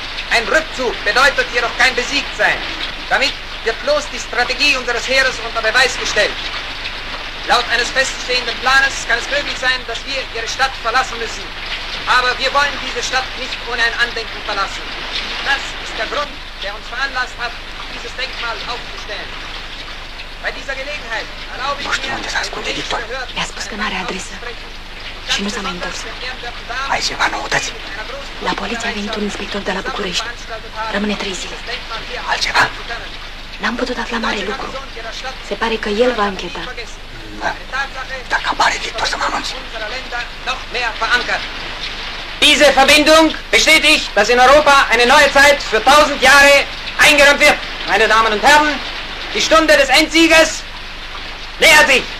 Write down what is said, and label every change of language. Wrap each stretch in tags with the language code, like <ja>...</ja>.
<de>Ein Rückzug bedeutet jedoch kein Besiegtsein. Damit wird bloß die Strategie unseres Heeres unter Beweis gestellt. Laut eines feststehenden Planes kann es möglich sein, dass wir Ihre Stadt verlassen müssen. Aber wir wollen diese Stadt nicht ohne ein Andenken verlassen. Das ist der Grund, der uns veranlasst hat, dieses Denkmal aufzustellen.</de> <ro>Nu știu unde s-a ascuns Victor. Mi-a spus că n-are adresă și nu s-a mai întors. Ai ceva noutăți? La poliție a venit un inspector de la București. Rămâne 3 zile. Altceva? N-am putut afla mare lucru. Se pare că el va încheta. Dacă apare Victor să mă anunți.</ro> <de>Diese Verbindung bestätigt, dass in Europa eine neue Zeit für 1000 Jahre eingeräumt wird. Meine Damen und Herren, die Stunde des Endsieges nähert sich.</de>